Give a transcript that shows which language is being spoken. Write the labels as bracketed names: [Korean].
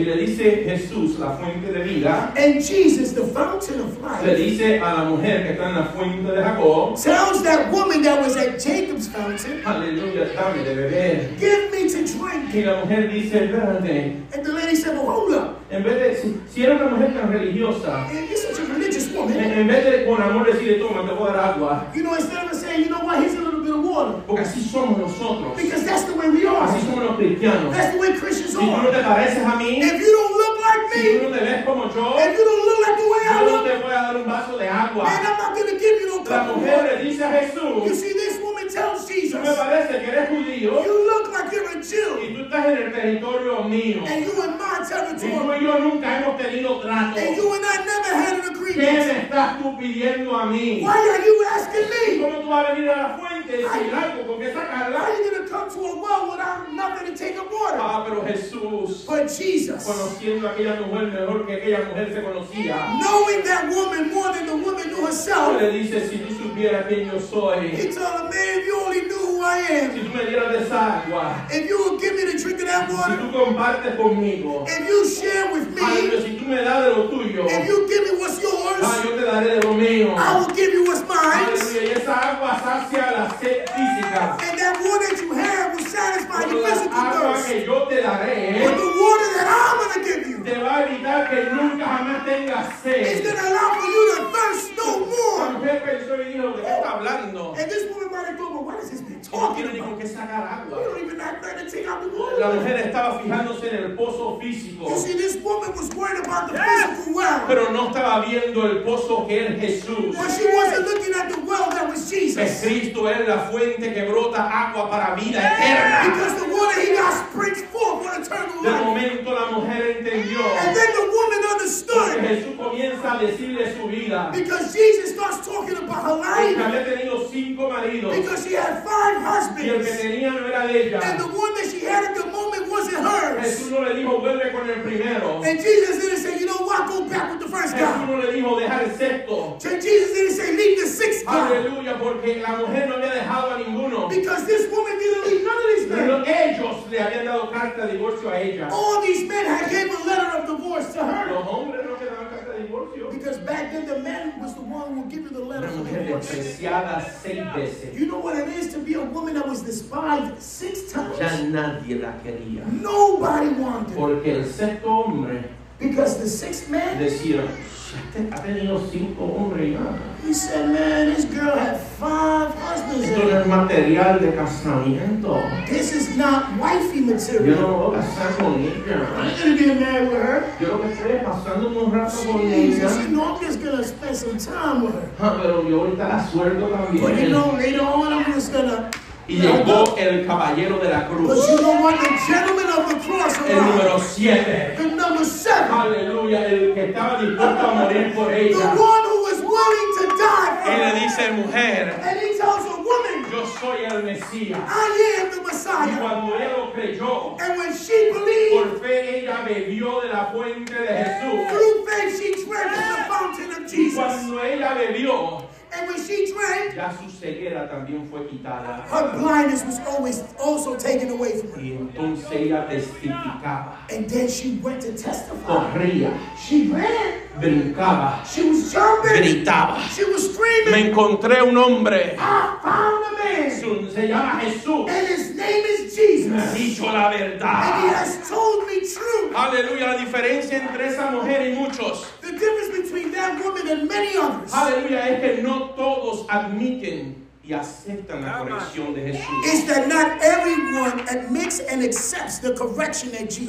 [Spanish] Y le dice Jesús, la fuente de vida. [English] And Jesus, the fountain of life. [Spanish] Le dice a la mujer que está en la fuente de Jacob. [English] Tells that woman that was at Jacob's fountain. [Spanish] Aleluya, dame de beber. [English] Give me to drink. [Spanish] Y la mujer dice, espérate. [English] And the lady said, well, hold up. [Spanish] En vez de, si era una mujer tan religiosa. [English] And he's such a religious woman. [Spanish] En vez de, con amor, decirle, toma, [English] you know, instead of saying, you know what, here's a little bit of water. [Spanish] Porque así somos nosotros. [English] Because that's the way we are. [Spanish] Así somos los cristianos. [English] That's the way Christians [Spanish] si [English] are. [Spanish] No te pareces a mí, [English] if you don't look like me. [Spanish] Si tú no te ves como yo, [English] if you don't look like the way [Spanish] yo [English] I look. [Spanish] Te voy a dar un vaso de agua. [English] And I'm not going to give you no cup [Spanish] la mujer le dice a Jesús, [English] you see, this woman tells Jesus. [Spanish] Me parece que eres judío, [English] you look like you're a Jew. [Spanish] Y tú estás estás en el territorio mío. [English] And you in my territory. [Spanish] Y tú y yo nunca hemos tenido trato. [English] And you and I never had an agreement. [Spanish] ¿Qué me estás tú pidiendo a mí? [English] Why are you asking me? [Spanish] ¿Cómo tú vas a venir a la fuente sin agua? ¿Con qué sacarla? [English] How are you going to come to a well without nothing to take of water? [Spanish] Ah, pero Jesús. [English] But Jesus. [Spanish] Conociendo a aquella mujer mejor que aquella mujer se conocía. [English] Knowing that woman more than the woman knew herself. [Spanish] Le dice, si tú supieras quién yo soy. [English] He told him, man, if you only knew who I am. [Spanish] Si tú me dieras de esa agua. [English] If you would give me the drink of that water. [Spanish] Si tú compartes conmigo. [English] If you share with me. [Spanish] Ay, pero si tú me das de lo tuyo. [English] If you give me what's yours. [Spanish] Ah, yo te daré de lo mío. [English] I will give you what's mine. [Spanish] Ay, esa agua sacia la sed física. [English] And that water that you have will satisfy [Spanish] Por [English] your physical [Spanish] agua [English] thirst. [Spanish] Que yo te daré, [English] But the water that I'm going to give you. [Spanish] Te va a evitar que nunca jamás tengas sed. [English] It's going to allow for you to thirst no more. [Spanish] San Pepe, yo soy hijo, ¿de qué está hablando? [English] And this woman might have thought, well, what is this? [Spanish] La mujer estaba fijándose en el pozo físico. [English] You see, this woman was worried about the physical well. [Spanish] Pero no estaba viendo el pozo que es Jesús. [English] But she wasn't looking at the well that was Jesus. [Spanish] Es Cristo, es la fuente que brota agua para vida eterna. [English] Because the water he got springs forth for eternal life. [Spanish] De momento la mujer entendió. [English] And then the woman understood. [Spanish] Porque Jesús comienza a decirle su vida. [English] Because Jesus starts talking about her life. [Spanish] Había tenido cinco maridos. [English] Because she had five husbands. [Spanish] Y el que tenía no era de ella. [English] And the one that she had at the moment wasn't hers. [Spanish] Jesús no le dijo, vuelve con el primero. [English] And Jesus didn't say, you know what, go back with the first [Spanish] Jesús [English] guy. [Spanish] No le dijo, deja el sexto. [English] Jesus didn't say, leave the sixth [Spanish] Aleluya, [English] guy. [Spanish] Aleluya, porque la mujer no había dejado a ninguno. [English] Because this woman didn't leave none of these men. [Spanish] Pero ellos le habían dado carta de divorcio a ella. [English] All these men had gave a letter of divorce to her. [Spanish] Los hombres no quedaron carta de divorcio. [English] Because back then the man was the one who gave you the letter of divorce. [Spanish] Una mujer despreciada seis veces. [English] You know what it is to be a woman that was despised six times. [Spanish] Ya nadie la quería. [English] Nobody wanted. [Spanish] Porque el sexto hombre. [English] Because the sixth man. [Spanish] Decía, ha tenido cinco hombres ya. [English] He said, man, this girl had five husbands. [Spanish] Esto no es material de casamiento. [English] This is not wifey material. [Spanish] Yo no voy a casar con ella. [English] I'm going to get married with her. [Spanish] Yo lo que estoy pasando un rato con ella. [English] Jesus, you know I'm just going to spend some time with her. [Spanish] Ha, pero yo ahorita la suelto también. [English] But you know, later on I'm just going to. [Spanish] Y llegó el caballero de la cruz. [English] But you know what? The gentleman of the cross arrived. [Spanish] El número 7. [English] The number 7. [Spanish] Aleluya. El que estaba dispuesto a morir por ella. [English] The one who was willing to die for her. [Spanish] Y le dice, mujer. [English] And he tells her, woman. [Spanish] Yo soy el Mesías. [English] I am the Messiah. [Spanish] Y cuando ella lo creyó. [English] And when she believed. [Spanish] Por fe ella bebió de la fuente de Jesús. [English] Through faith she drank from the fountain of Jesus. [Spanish] Y cuando ella bebió. [English] And when she drank, [Spanish] ya su ceguera también fue quitada. [English] Her blindness was always also taken away from her. [Spanish] Y entonces ella testificaba. [English] And then she went to testify. [Spanish] Corría. [English] She ran. [Spanish] Brincaba. [English] She was jumping. [Spanish] Gritaba. [English] She was screaming. [Spanish] Me encontré un hombre. [English] I found a man. [Spanish] Se llama Jesús. [English] And his name is Jesus. [Spanish] Me ha dicho la verdad. [English] And he has told me truth. [Spanish] Aleluya. La diferencia entre esa mujer y muchos. [English] The difference between that woman and many others. [Spanish] Aleluya. Es que no todos admiten y aceptan la corrección de Jesús. [English] It's that not everyone admits and accepts the correction that Jesus